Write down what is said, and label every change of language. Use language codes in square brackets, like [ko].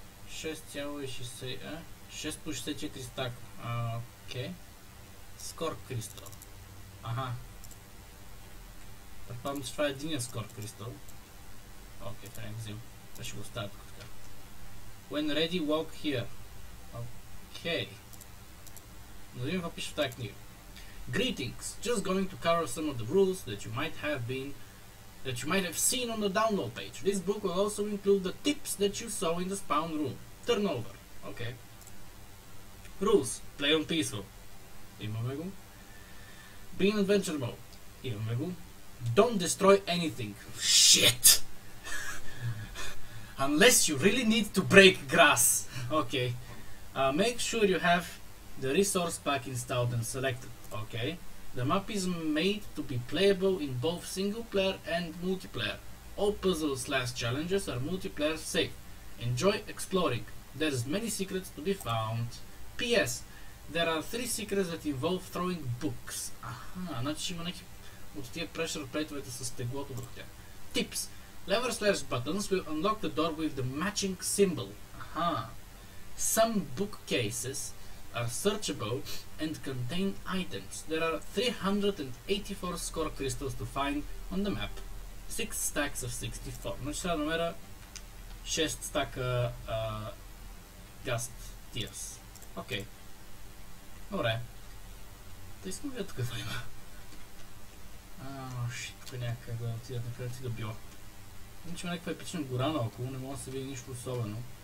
[bg] 6.64 стак. Окей. Score crystal. Аха. Предполагам, че това е единия скор кристал. Окей, трябва да взим. Това ще го оставя тук така. [en] When ready, walk here. Окей. [bg] Но видим какво пише в тази книга. [en] Greetings! Just going to cover some of the rules that you might have been... that you might have seen on the download page. This book will also include the tips that you saw in the spawn room. Turnover. Окей. Okay. Rules. Play on peaceful. [bg] Имаме го. [en] Be in adventure mode. Имаме го. Don't destroy anything. Shit! Unless you really need to break grass. Okay. Make sure you have the resource pack installed and selected. Okay. The map is made to be playable in both single player and multiplayer. All puzzles slash challenges are multiplayer safe. Enjoy exploring. There's many secrets to be found. P.S. There are three secrets that involve throwing books. [bg] Аха, значи има някакви от тия pressure plate-овете с теглото върху тях. [en] Tips. Lever slash buttons will unlock the door with the matching symbol. Аха. Some bookcases are searchable and contain items. There are 384 score crystals to find on the map. 6 stacks of 64. [bg] Но ще трябва да намеря 6 стака ghast tears. Окей. Okay. Добре. Та искам да видя тук какво има. Шит, тук някак да отидат, например си да било. Иначе има някаква епична гора наоколо, не мога да се види нищо особено.